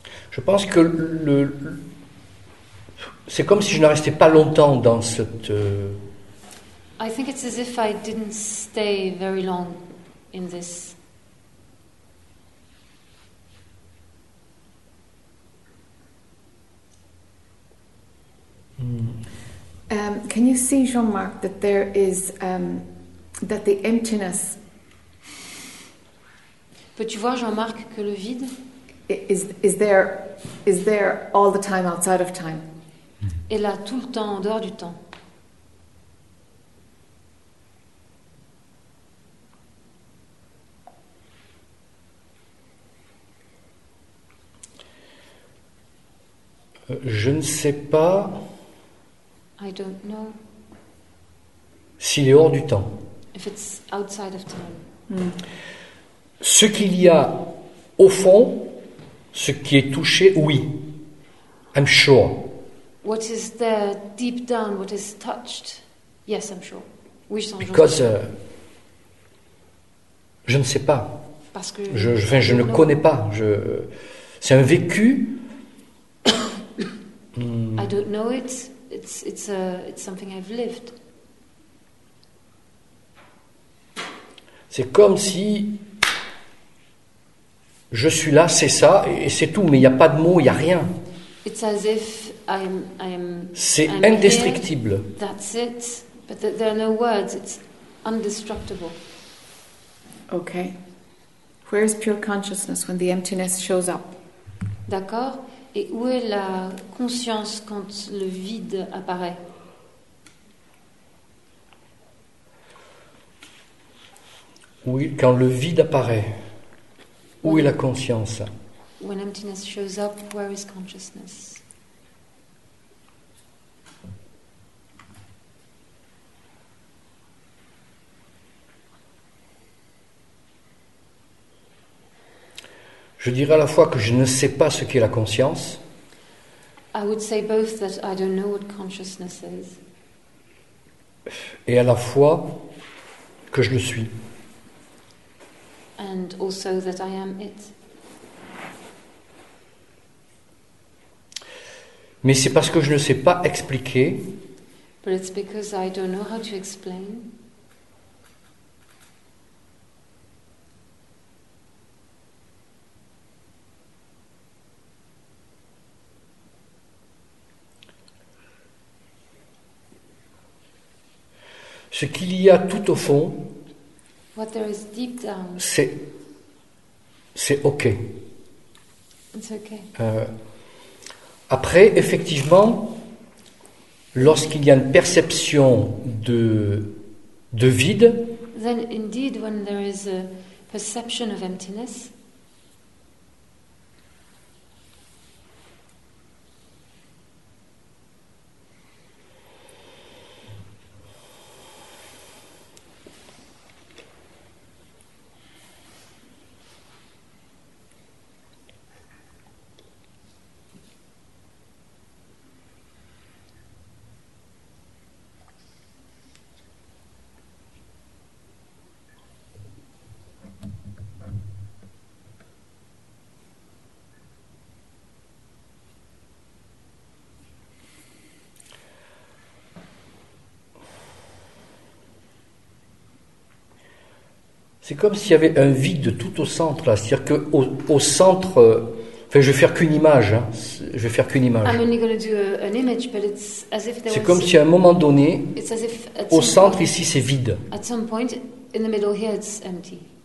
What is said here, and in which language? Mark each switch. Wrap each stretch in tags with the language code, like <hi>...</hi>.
<fr>je pense que c'est comme si je ne restais pas longtemps dans cette</fr> <en>I think it's as if I didn't stay very long in this. Can you see, Jean-Marc, that there is that the emptiness?</en> <fr>Peux-tu voir, Jean-Marc, que le vide</fr> <en>is there all the time outside of time?</en> <fr>Et là, tout le temps, en dehors du temps. Je ne sais pas.</fr> <en>I don't know.</en> <fr>S'il est hors du temps.</fr> <en>If it's outside of time.</en> <fr>Ce qu'il y a au fond, ce qui est touché, oui.</fr> <en>I'm sure. What is there deep down, what is touched? Yes, I'm sure.</en> <fr>Oui, je suis sûr.</fr> <en>Because</en> <fr>je ne sais pas. Parce que je ne connais pas. C'est un vécu.</fr> <en>I don't know it. It's something I've lived.</en> <fr>C'est comme si je suis là, c'est ça, et c'est tout. Mais il n'y a pas de mots, il n'y a rien.</fr> <en>It's as if I'm</en> <fr>c'est</fr> <en>I'm indestructible. Here, that's it. But there are no words. It's indestructible. Okay. Where is pure consciousness when the emptiness shows up?</en> <fr>D'accord. Et où est la conscience quand le vide apparaît? Oui, quand le vide apparaît. Où est la conscience?</fr> <en>When emptiness shows up, where is consciousness?</en> <fr>Je dirais à la fois que je ne sais pas ce qu'est la conscience.</fr> <en>I would say both that I don't know what consciousness is.</en> <fr>Et à la fois que je le suis.</fr> <en>And also that I am it.</en> <fr>Mais c'est parce que je ne sais pas expliquer.</fr> <en>But it's because I don't know how to explain.</en> <fr>Ce qu'il y a tout au fond,</fr> <en>what there is deep down,</en> <fr>c'est OK.</fr> <en>It's okay.</en> <fr>Après, effectivement, lorsqu'il y a une perception de vide,</fr> <en>then indeed, when there is a perception of emptiness,</en> <fr>c'est comme s'il y avait un vide tout au centre, là. C'est-à-dire que au centre, je vais faire qu'une image. Hein. Je vais faire qu'une image.</fr> <en>I'm only gonna do an image, but it's as if there</en> <fr>c'est</fr> <en>was</en> <fr>comme si à un moment donné, au centre</fr> <en>point,</en> <fr>ici, c'est vide.</fr> <en>At some point, in the middle here, it's empty.</en>